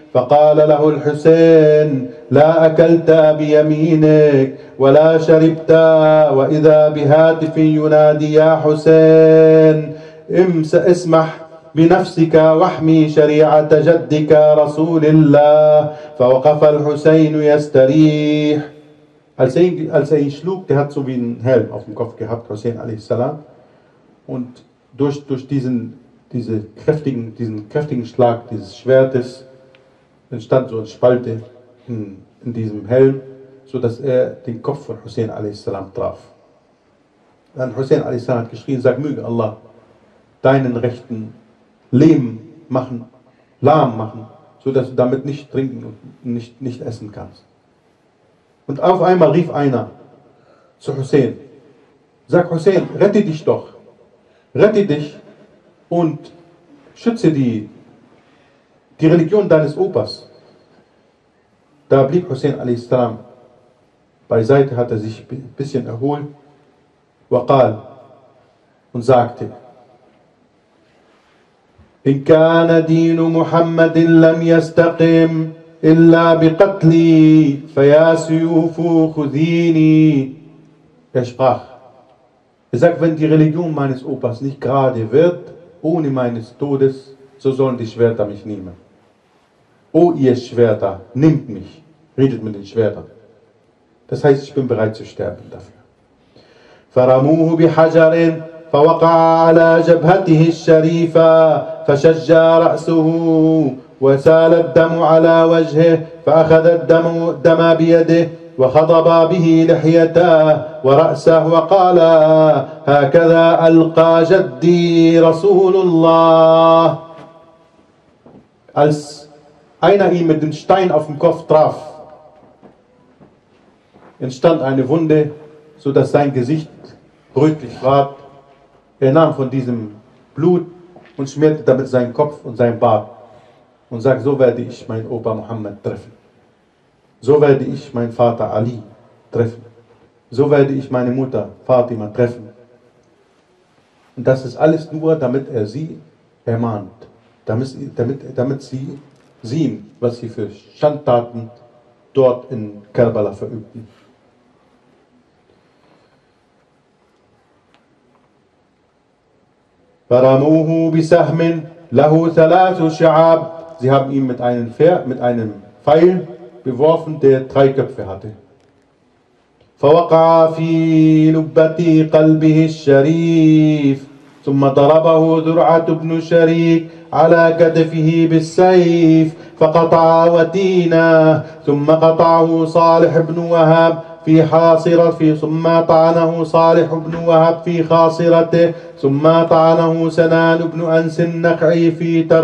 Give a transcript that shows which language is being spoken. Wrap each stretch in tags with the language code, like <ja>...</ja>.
<ar>فقال له الحسين: لا أكلت بيمينك ولا شربت، وإذا بهاتف ينادي: يا حسين، اسمح بنفسك واحمي شريعة جدك رسول الله. فوقف الحسين يستريح.</ar> <de>als er ihn schlug, der hat so wie einen Helm auf dem Kopf gehabt, Hussein a.s. Und durch diesen kräftigen Schlag dieses Schwertes entstand so eine Spalte in diesem Helm, sodass er den Kopf von Hussein a.s. traf. Dann Hussein a.s. hat geschrien, sag, möge Allah deinen rechten Lehm machen, lahm machen, sodass du damit nicht trinken und nicht essen kannst. Und auf einmal rief einer zu Hussein, sag, Hussein, rette dich doch, rette dich und schütze die Religion deines Opas. Da blieb Hussein a.s. beiseite, hat er sich ein bisschen erholt,</de> <ar>وقال</ar> <de>und sagte,</de> <ar>إن كان دين محمد لم يستقم إلا بقتلي فيا سيوف خذيني.</ar> <de>Er sprach, er sagt, wenn die Religion meines Opas nicht gerade wird, ohne meines Todes, so sollen die Schwerter mich nehmen. O ihr Schwerter, nehmt mich, redet mit den Schwertern. Das heißt, ich bin bereit zu sterben dafür.</de> <ar>فرموه بحجر فوقع على جبهته الشريفة فشج رأسه وسال الدم على وجهه فأخذ الدم بيده وخضب به لحيته ورأسه وقال هكذا ألقى جدي رسول الله.</ar> <de>Als einer ihm mit dem Stein auf dem Kopf traf, entstand eine Wunde, so dass sein Gesicht rötlich war. Er nahm von diesem Blut und schmierte damit seinen Kopf und seinen Bart und sagte, so werde ich meinen Opa Muhammad treffen. So werde ich meinen Vater Ali treffen. So werde ich meine Mutter Fatima treffen. Und das ist alles nur, damit er sie ermahnt. Damit sie sehen, was sie für Schandtaten dort in Karbala verübten.</de> <ar>فرموه بسهم له ثلاث شعاب.</ar> <de>Sie haben ihn mit einem Pfeil beworfen, der drei Köpfe hatte.</de> <ar>فوقع في لبتي قلبه الشريف ثم ضربه درعة بن شريك على كتفه بالسيف فقطع وتينا ثم قطعه صالح بن وهاب في حاصرة في ثم طعنه صالح بن وهب في خاصرته ثم طعنه سنان بن أنس النقعي في</ar>